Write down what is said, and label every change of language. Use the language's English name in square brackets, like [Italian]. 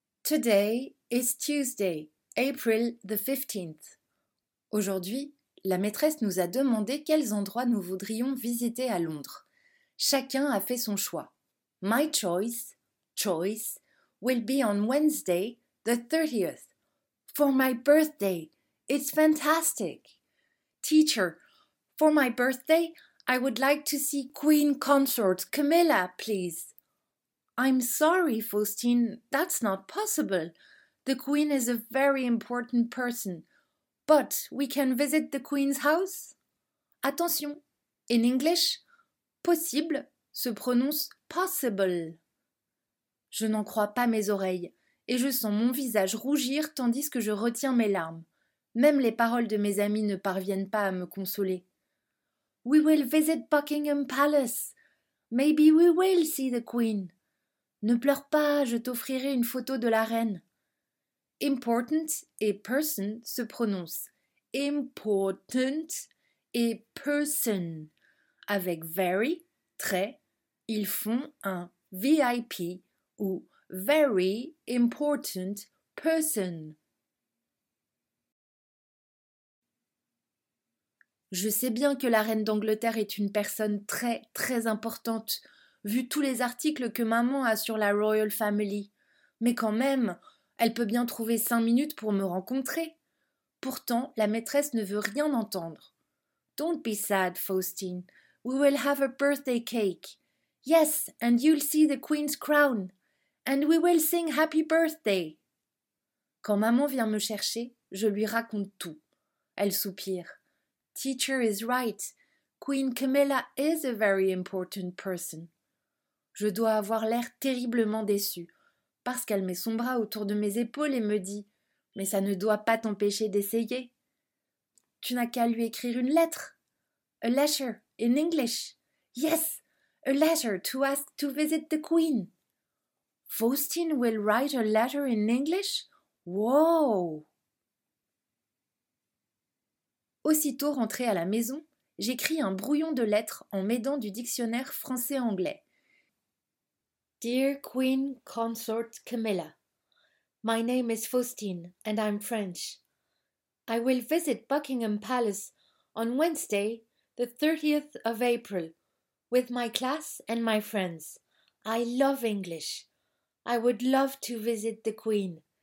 [English] Today is Tuesday, April the 15th. [French] Aujourd'hui, la maîtresse nous a demandé quels endroits nous voudrions visiter à Londres. Chacun a fait son choix. [English] My choice, will be on Wednesday the 30th. For my birthday, it's fantastic. Teacher, for my birthday, I would like to see Queen Consort Camilla, please. I'm sorry, Faustine, that's not possible. The Queen is a very important person. But we can visit the Queen's house? [French] Attention, [English] in English, [French] possible se prononce possible. Je n'en crois pas mes oreilles et je sens mon visage rougir tandis que je retiens mes larmes. Même les paroles de mes amis ne parviennent pas à me consoler. [English] We will visit Buckingham Palace. Maybe we will see the Queen. [French] Ne pleure pas, je t'offrirai une photo de la reine. Important et person se prononcent important et person. Avec very, très, ils font un VIP ou [English] very important person. [French] Je sais bien que la reine d'Angleterre est une personne très, très importante. Vu tous les articles que maman a sur la Royal Family. Mais quand même, elle peut bien trouver 5 minutes pour me rencontrer. Pourtant, la maîtresse ne veut rien entendre. [English] Don't be sad, Faustine. We will have a birthday cake. Yes, and you'll see the Queen's crown. And we will sing happy birthday. [French] Quand maman vient me chercher, je lui raconte tout. Elle soupire. [English] Teacher is right. Queen Camilla is a very important person. [French] Je dois avoir l'air terriblement déçue, parce qu'elle met son bras autour de mes épaules et me dit « Mais ça ne doit pas t'empêcher d'essayer. Tu n'as qu'à lui écrire une lettre. [English] A letter, in English. Yes, a letter to ask to visit the Queen. Faustine will write a letter in English? Wow !» [French] Aussitôt rentrée à la maison, j'écris un brouillon de lettres en m'aidant du dictionnaire français-anglais. [English] Dear Queen Consort Camilla, my name is Faustine and I'm French. I will visit Buckingham Palace on Wednesday, the 30th of April, with my class and my friends. I love English. I would love to visit the Queen.